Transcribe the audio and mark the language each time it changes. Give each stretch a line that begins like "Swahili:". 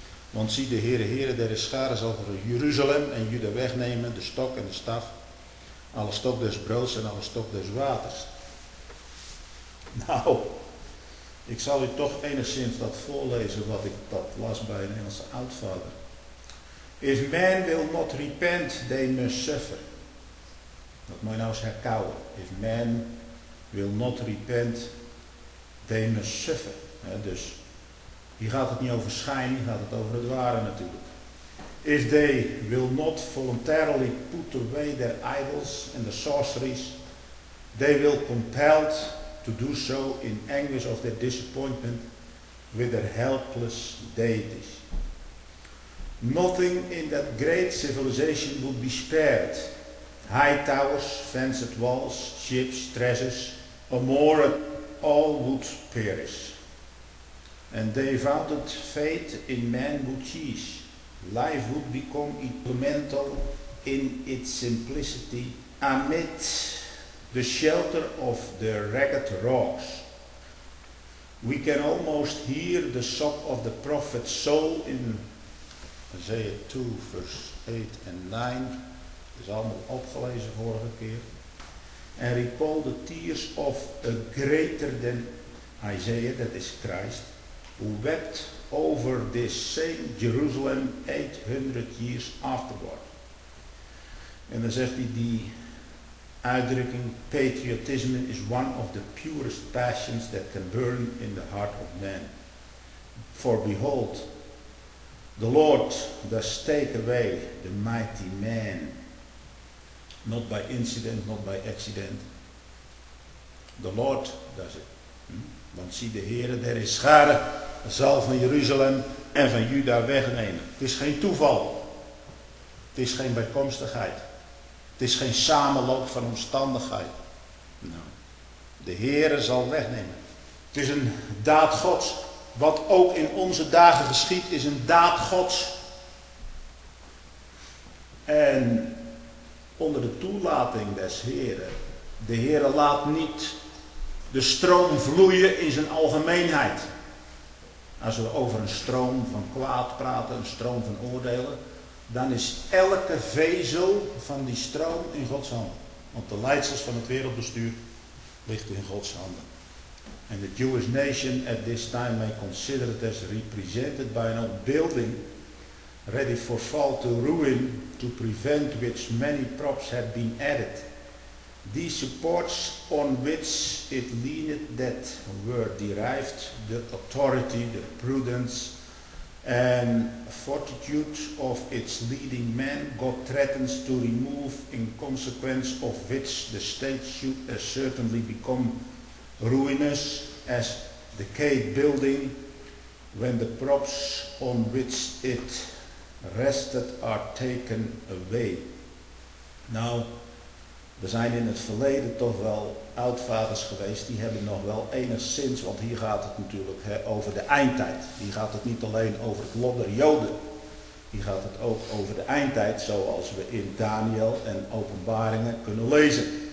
Dutch: Want zie de Heere, Heere der Scharen zal voor Jeruzalem en Juda wegnemen. De stok en de staf. Alle stok des broods en alle stok des waters. Nou, ik zal u toch enigszins dat voorlezen wat ik dat las bij een Engelse oudvader.
English: If man will not repent, they must suffer.
Dutch: Dat moet je nou eens herkouwen.
English: If man will not repent, they must suffer.
Dutch: He, dus, hier gaat het niet over schijn, hier gaat het over het ware natuurlijk.
English: If they will not voluntarily put away their idols and the sorceries, they will compelled to do so in anguish of their disappointment with their helpless deities. Nothing in that great civilization would be spared. High towers, fenced walls, ships, treasures, or more, all would perish. And they founded faith in man would cease. Life would become instrumental in its simplicity amid the shelter of the ragged rocks. We can almost hear the sob of the prophet's soul in Isaiah 2 verse 8 and 9.
Dutch: Dat is allemaal opgelezen vorige keer.
English: And recall the tears of a greater than Isaiah, that is Christ, who wept over this same Jerusalem 800 years afterward.
Dutch: En dan zegt hij, die uitdrukking patriotisme is
English: one of the purest passions that can burn in the heart of man. For behold, the Lord does take away the mighty man, not by incident, not by accident. The Lord does it.
Dutch: Want zie, de Heere der Heerscharen zal van Jeruzalem en van Juda wegnemen. Het is geen toeval. Het is geen bijkomstigheid. Het is geen samenloop van omstandigheid. Nou, de Heere zal wegnemen. Het is een daad Gods. Wat ook in onze dagen geschiet, is een daad Gods. En onder de toelating des Heeren. De Heere laat niet de stroom vloeien in zijn algemeenheid. Als we over een stroom van kwaad praten, een stroom van oordelen, dan is elke vezel van die stroom in Gods handen. Want de leidsels van het wereldbestuur ligt in Gods handen.
English: And the Jewish nation at this time may consider it as represented by an old building ready for fall to ruin, to prevent which many props have been added. These supports on which it leaned that were derived the authority, the prudence and fortitude of its leading men, God threatens to remove, in consequence of which the state should certainly become ruinous as the decayed building when the props on which it rested are taken away.
Dutch: Now, we zijn in het verleden toch wel oudvaders geweest, die hebben nog wel enigszins, want hier gaat het natuurlijk over de eindtijd. Hier gaat het niet alleen over het lot der Joden, hier gaat het ook over de eindtijd zoals we in Daniël en Openbaringen kunnen lezen.